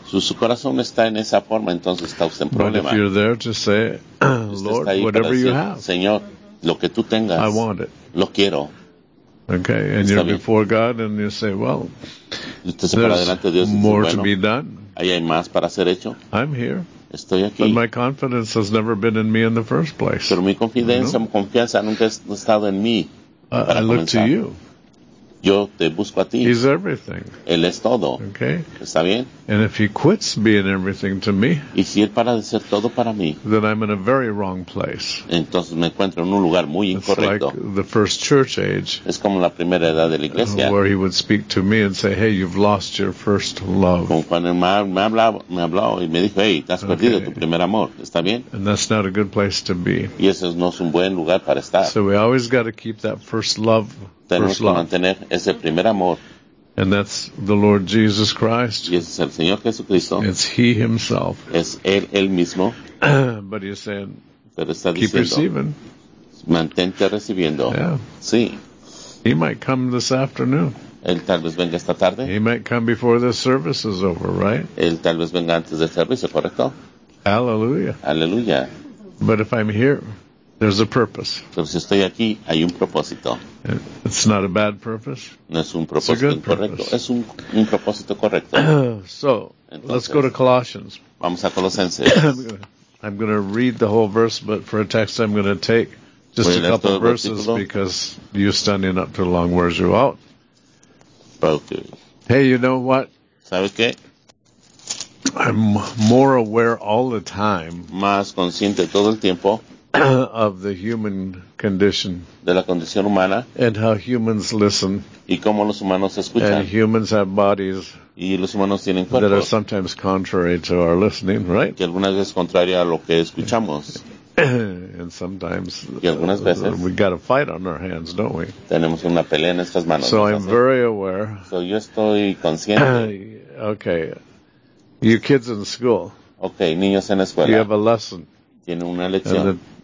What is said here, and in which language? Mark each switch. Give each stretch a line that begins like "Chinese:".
Spanish: Si su corazón está en esa forma, entonces está usted en problema.
English: But if you're there to say, Lord, whatever
Spanish: decir,
English: you have,
Spanish: Señor, lo que tú tengas,
English: I want it.
Spanish: Lo quiero.
English: Okay, and
Spanish: está
English: you're
Spanish: bien.
English: Before God and you say, well, there's
Spanish: de Dios dice,
English: more
Spanish: bueno,
English: to be done.
Spanish: Ahí hay más para ser hecho.
English: I'm here.
Spanish: Estoy aquí.
English: But my confidence has never been in me in the first place.
Spanish: Pero mi confidencia, mi confianza nunca ha estado en mí.
English: I look to you.
Spanish: Yo te busco a ti.
English: He's everything.
Spanish: Él es todo.
English: Okay.
Spanish: Está bien.
English: And if he quits being everything to me,
Spanish: y si él para de ser todo para mí,
English: then I'm in a very wrong place.
Spanish: Entonces me encuentro en un lugar muy incorrecto.
English: It's like the first church age.
Spanish: Es como la primera edad de la iglesia.
English: Where he would speak to me and say, "Hey, you've lost your first love."
Spanish: Como cuando me hablaba y me dijo, "Hey, te has perdido tu primer amor." Está bien.
English: And that's not a good place to be.
Spanish: Y eso no es un buen lugar para estar.
English: So we always got to keep that first love.
Spanish: Tenemos que mantener ese primer amor.
English: And that's the Lord Jesus Christ.
Spanish: Y es el Señor Jesucristo.
English: It's he himself.
Spanish: Es él mismo.
English: But he's saying,
Spanish: pero está
English: keep
Spanish: diciendo,
English: receiving.
Spanish: Mantente recibiendo.
English: Yeah.
Spanish: Sí.
English: He might come this afternoon.
Spanish: Él tal vez venga esta tarde.
English: He might come before the service is over, right?
Spanish: Él tal vez venga antes del servicio, ¿correcto?
English: Hallelujah.
Spanish: Aleluya.
English: But if I'm here, there's a purpose.
Spanish: Pero si estoy aquí, hay un propósito.
English: It's not a bad purpose.
Spanish: No es un propósito
English: it's a good
Spanish: incorrecto.
English: Purpose.
Spanish: Es un propósito correcto.
English: So,
Spanish: entonces,
English: let's go to Colossians.
Spanish: Vamos a Colosenses.
English: I'm going to read the whole verse, but for a text I'm going to take just
Spanish: voy
English: a couple of verses
Spanish: versículo.
English: Because you're standing up too long, wears you out. Okay. Hey, you know what?
Spanish: ¿Sabes qué?
English: I'm more aware all the time.
Spanish: Más consciente todo el tiempo.
English: Of the human condition,
Spanish: de la condición humana,
English: and how humans listen,
Spanish: y cómo los humanos escuchan,
English: and humans have bodies,
Spanish: y los humanos tienen cuerpos,
English: that are sometimes contrary to our listening, right?
Spanish: Que algunas veces contraria a lo que escuchamos,
English: and sometimes,
Spanish: y algunas veces,
English: we got a fight on our hands, don't we?
Spanish: Tenemos una pelea en estas manos.
English: So I'm very aware.
Spanish: So yo estoy consciente.
English: Okay, you kids in school.
Spanish: Okay, niños en escuela.
English: You have a lesson.
Spanish: Tiene una lección.